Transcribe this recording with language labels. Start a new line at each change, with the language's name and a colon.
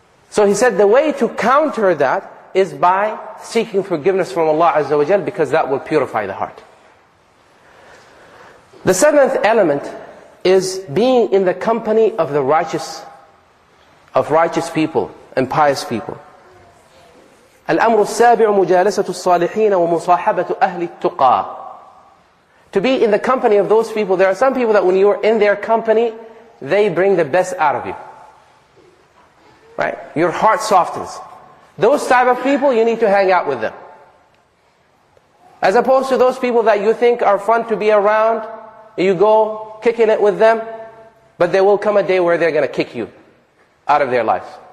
English: So he said the way to counter that is by seeking forgiveness from Allah Azza wa Jal, because that will purify the heart. The seventh element is being in the company of the righteous, of righteous people and pious people.
Arabic: الأمر السابع مجالسة الصالحين ومصاحبة أهل التقى.
English: To be in the company of those people, there are some people that when you are in their company, they bring the best out of you. Right? Your heart softens. Those type of people, you need to hang out with them. As opposed to those people that you think are fun to be around, you go kicking it with them, but there will come a day where they're going to kick you out of their lives.